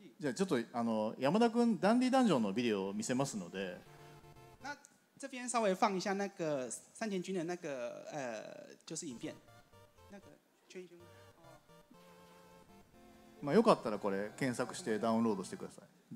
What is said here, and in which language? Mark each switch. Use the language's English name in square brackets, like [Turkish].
[Japanese] じゃあちょっと山田君ダンディダンジョンのビデオを見せますので。 [Chinese] 这边稍微放一下那个山田君的那个就是影片，那个圈一圈。 [Japanese] まあよかったらこれ検索してダウンロードしてください。